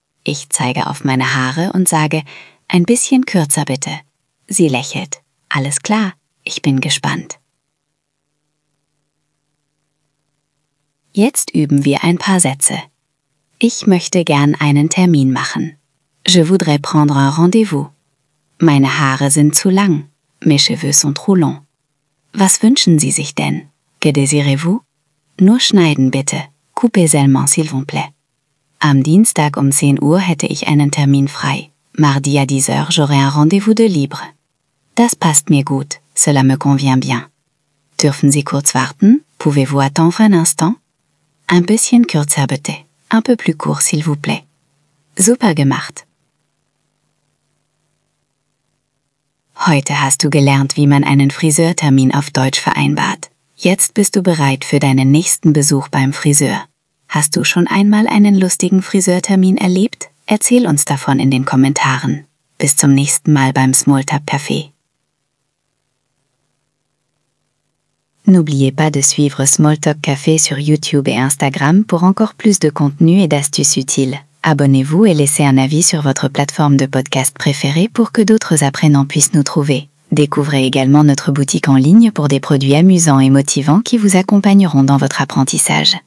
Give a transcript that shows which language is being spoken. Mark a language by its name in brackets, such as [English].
[German] Ich zeige auf meine Haare und sage, ein bisschen kürzer bitte. Sie lächelt. Alles klar, ich bin gespannt. Jetzt üben wir ein paar Sätze. Ich möchte gern einen Termin machen. [French] Je voudrais prendre un rendez-vous. [German] Meine Haare sind zu lang. [French] Mes cheveux sont trop longs. [German] Was wünschen Sie sich denn? [French] Que désirez-vous? [German] Nur schneiden bitte. [French] Coupez seulement, s'il vous plaît. [German] Am Dienstag um 10 Uhr hätte ich einen Termin frei. [French] Mardi à 10 Uhr j'aurai un rendez-vous de libre. [German] Das passt mir gut, [French] cela me convient bien. [German] Dürfen Sie kurz warten? [French] Pouvez-vous attendre un instant? [German] Un bisschen kürzer bitte. [French] Un peu plus court, s'il vous plaît. [German] Super gemacht. Heute hast du gelernt, wie man einen Friseurtermin auf Deutsch vereinbart. Jetzt bist du bereit für deinen nächsten Besuch beim Friseur. Hast du schon einmal einen lustigen Friseurtermin erlebt? Erzähl uns davon in den Kommentaren. Bis zum nächsten Mal beim Small Talk Café. [French] N'oubliez pas de suivre Small Talk Café sur YouTube et Instagram pour encore plus de contenu et d'astuces utiles. Abonnez-vous et laissez un avis sur votre plateforme de podcast préférée pour que d'autres apprenants puissent nous trouver. Découvrez également notre boutique en ligne pour des produits amusants et motivants qui vous accompagneront dans votre apprentissage.